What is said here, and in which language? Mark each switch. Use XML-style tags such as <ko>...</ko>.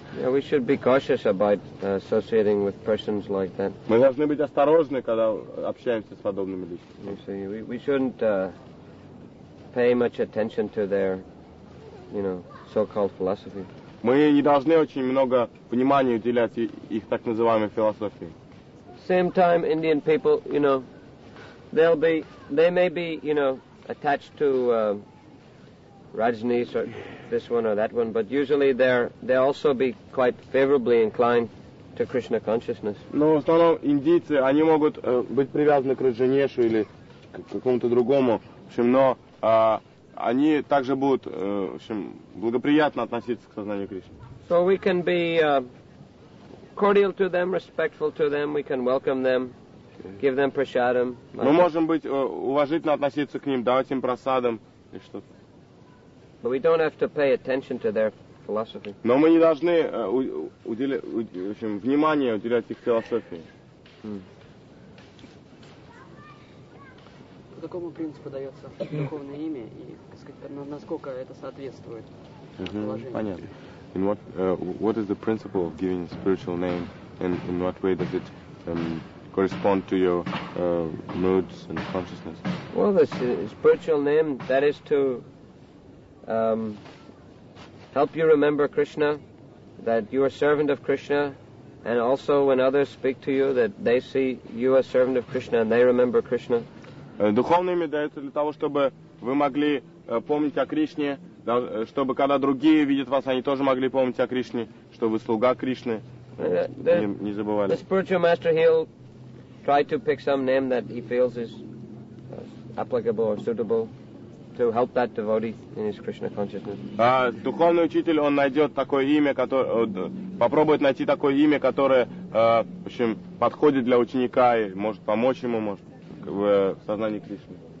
<en>Yeah, we should be cautious about associating with persons like that.</en> <ru>Мы должны быть осторожны, когда общаемся с подобными людьми.</ru> <en>You see, we shouldn't pay much attention to their, you know, so-called philosophy.</en> <ru>Мы не должны очень много внимания уделять их так называемой философии.</ru> <en>Same time, Indian people, you know, they may be, you know, attached to Rajneesh or this one or that one, but usually they also be quite favorably inclined to Krishna consciousness.</en> <ru>Но в основном индийцы, они могут быть привязаны к Раджанешу или к какому-то другому, в общем, но они также будут, в общем, благоприятно относиться к сознанию Кришны.</ru> <en>So we can be cordial to them, respectful to them, we can welcome them, give them prasadam.</en> <ru>Мы можем быть уважительно относиться к ним, давать им прасадам и что-то.</ru> <en>But we don't have to pay attention to their philosophy.</en> <ru>Но мы не должны в общем, внимание уделять их философии. По какому принципу дается духовное имя и, так сказать, насколько это соответствует положению? Понятно.</ru> <en>In what what is the principle of giving a spiritual name and in what way does it correspond to your moods and consciousness? Well, the spiritual name, that is to help you remember Krishna, that you are servant of Krishna, and also when others speak to you, that they see you as servant of Krishna and they remember Krishna.</en> <ru>Духовное имя дается для того, чтобы вы могли помнить о Кришне, да, чтобы когда другие видят вас, они тоже могли помнить о Кришне, что вы слуга Кришны, не забывали.</ru> <en>The spiritual master, he'll try to pick some name that he feels is applicable or suitable to help that devotee in his Krishna consciousness.</en> <ru>Духовный учитель, он найдет такое имя, попробует найти такое имя, которое, в общем, подходит для ученика и может помочь ему, может, в сознании Кришны.</ru>